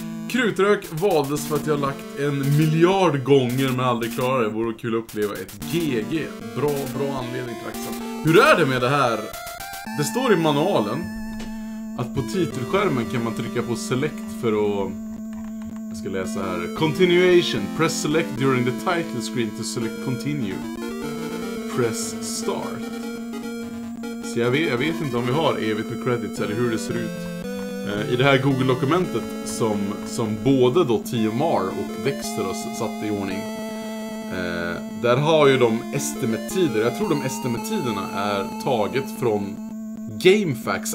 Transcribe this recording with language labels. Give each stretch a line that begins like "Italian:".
Swedish: Krutrök valdes för att jag lagt en miljard gånger men aldrig klarade det. Vore kul att uppleva ett GG. Bra anledning till axeln. Hur är det med det här? Det står i manualen att på titelskärmen kan man trycka på select för att... Jag ska läsa här. Continuation.
English: Press select during the title screen to select continue. Press start.
Swedish: Så jag vet inte om vi har evigt med credits eller hur det ser ut. I det här Google-dokumentet som både då TMR och Dexter har satt i ordning. Där har ju de estimate-tider. Jag tror de estimate-tiderna är taget från GameFAQs.